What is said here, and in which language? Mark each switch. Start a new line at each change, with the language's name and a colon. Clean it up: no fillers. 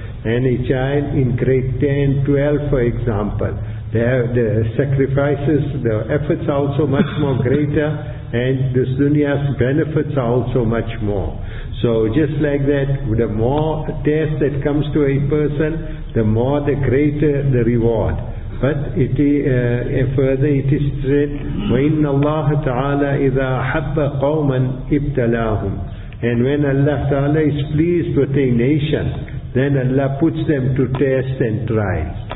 English: And a child in grade 10, 12, for example, the sacrifices, the efforts are also much more greater, and this dunya's benefits are also much more. So just like that, the more test that comes to a person, the more the greater the reward. But further it is said,
Arabic: وَإِنَّ اللَّهَ تَعَالَىٰ إِذَا حَبَّ قَوْمًا إِبْتَلَاهُمْ.
English: And when Allah Ta'ala is pleased with a nation, then Allah puts them to test and trials.